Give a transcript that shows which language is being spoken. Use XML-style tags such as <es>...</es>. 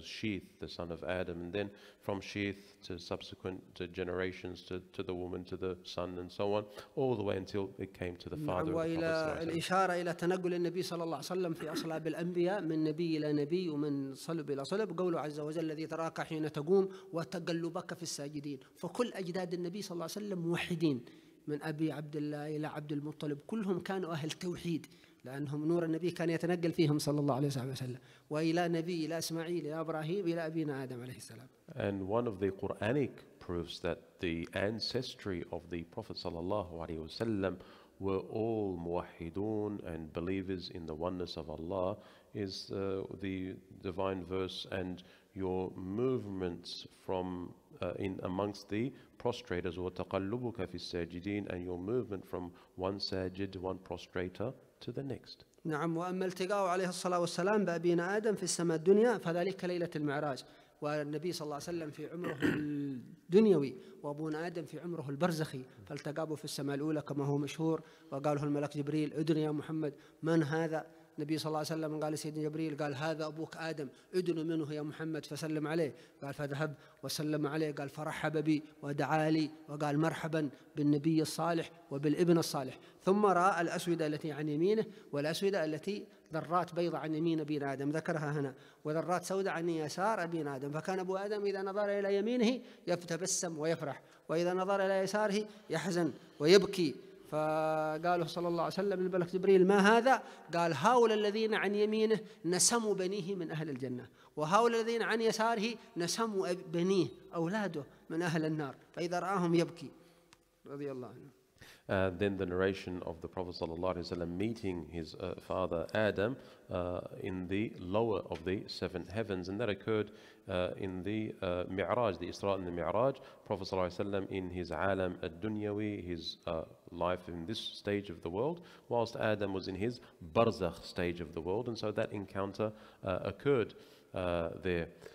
<en>That was Sheath, the son of Adam. And then from Sheath to subsequent generations, to the woman, to the son, and so on, all the way until it came to the father.</en> <ar>وإلى الإشارة إلى تنقل النبي صلى الله عليه وسلم في أصلاب الأنبياء من نبي إلى نبي ومن صلب إلى صلب. قوله عز وجل الذي تراك حين تقوم وتقلبك في الساجدين. فكل أجداد النبي صلى الله عليه وسلم موحدين من أبي عبد الله إلى عبد المطلب. كلهم كانوا أهل توحيد. لأنهم نور النبي كان يتنقل فيهم صلى الله عليه وسلم وإلى نبي إلى إسماعيل إلى إبراهيم إلى أبينا آدم عليه السلام.</ar> <en>And one of the Quranic proofs that the ancestry of the Prophet</en> <ar>صلى الله عليه وسلم</ar> <en>were all muwahidun and believers in the oneness of Allah is the divine verse and your movements from in amongst the prostrators or</en> <ar>تقلبك في الساجدين</ar> <en>and your movement from one sajid to one prostrator to the next.</en> <ar>نعم وأما التقاء عليه الصلاة والسلام بأبينا آدم في السماء الدنيا فذلك ليلة المعراج والنبي صلى الله عليه وسلم في عمره الدنيوي وأبونا آدم في عمره البرزخي فالتقابوا في السماء الأولى كما هو مشهور وقاله الملك جبريل ادني يا محمد من هذا النبي صلى الله عليه وسلم قال سيدنا جبريل قال هذا أبوك آدم ادن منه يا محمد فسلم عليه قال فذهب وسلم عليه قال فرحب بي ودعا لي وقال مرحبا بالنبي الصالح وبالابن الصالح ثم رأى الأسودة التي عن يمينه والأسودة التي ذرات بيضة عن يمين أبينا آدم ذكرها هنا وذرات سوداء عن يسار أبينا آدم فكان أبو آدم إذا نظر إلى يمينه يتبسم ويفرح وإذا نظر إلى يساره يحزن ويبكي فقاله صلى الله عليه وسلم الملك جبريل ما هذا؟ قال هؤلاء الذين عن يمينه نسموا بنيه من أهل الجنة وهؤلاء الذين عن يساره نسموا بنيه أولاده من أهل النار فإذا رآهم يبكي رضي الله عنه.</ar> <en>Then the narration of the Prophet sallallahu alaihi wasallam meeting his father Adam in the lower of the seven heavens, and that occurred in the Mi'raj, the Isra and the Mi'raj. Prophet sallallahu alaihi wasallam in his alam ad-dunyawi, his life in this stage of the world, whilst Adam was in his barzakh stage of the world, and so that encounter occurred there.</en>